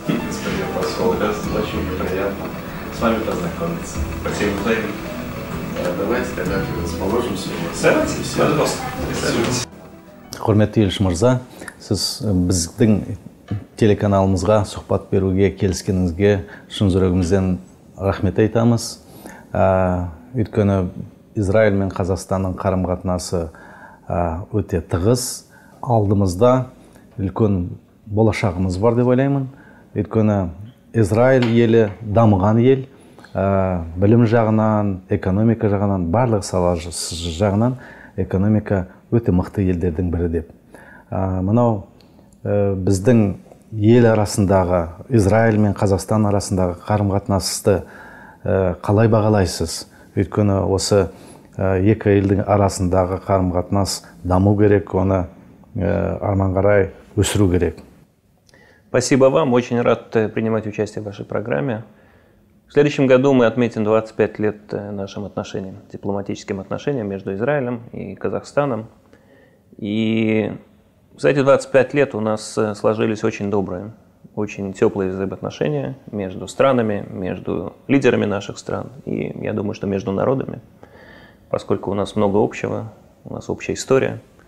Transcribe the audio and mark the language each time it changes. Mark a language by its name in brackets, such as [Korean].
[Russian] Господи, посол, да, очень приятно с вами познакомиться. Спасибо за это. Давайте тогда расположимся. Садитесь. Все, пожалуйста. Садитесь. [Kazakh] Құрметті елші мырза, сіз біздің телеканалымызға сұхбат беруге келіскеніңізге шын жүрегімізден рахмет айтамыз. Өйткені Израиль мен Қазақстанның қарым-қатынасы өте тығыз. Алдымызда үлкен болашағымыз бар деп ойлаймын. Өйткені Израиль елі дамыған ел, білім жағынан, экономика жағынан, барлық сала жағынан экономика өте мықты елдердің бірі деп. Мынау біздің ел арасындағы, Израиль мен Қазақстан арасындағы қарым-қатынасты қалай бағалайсыз? Өйткені осы екі елдің арасындағы қарым-қатынас даму керек, оны арман қарай өсіру керек. [Russian] Спасибо вам, очень рад принимать участие в вашей программе. В следующем году мы отметим 25 лет нашим отношениям, дипломатическим отношениям между Израилем и Казахстаном. И за эти 25 лет у нас сложились очень добрые, очень теплые взаимоотношения между странами, между лидерами наших стран и, я думаю, что между народами, поскольку у нас много общего, у нас общая история.